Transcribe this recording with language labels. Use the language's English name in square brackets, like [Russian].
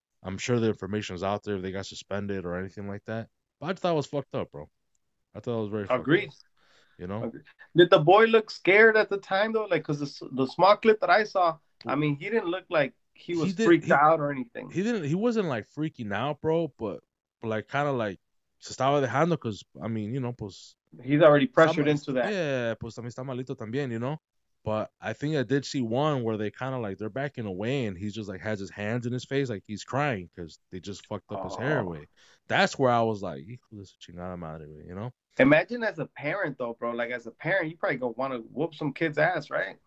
[English] I'm sure the information is out there if they got suspended or anything like that. But I just thought it was fucked up, bro. I thought it was very fucked Agreed. up. You know? Agreed. Did the boy look scared at the time though? Like, cause the small clip that I saw, I mean, he didn't look like he was freaked out or anything. He didn't. He wasn't like freaking out, bro. But like, kind of like. [Spanish] Se estaba dejando, [English] cause I mean, you know, [Spanish] pues [English] he's already pressured into that. Yeah, [Spanish] pues también está malito también, [English] you know. But I think I did see one where they kind of like they're backing away, and he's just like has his hands in his face, like he's crying because they just fucked up his hair away. That's where I was like, this [Spanish] chingada madre, [English] you know. Imagine as a parent though, bro. Like as a parent, you probably gonna want to whoop some kid's ass, right?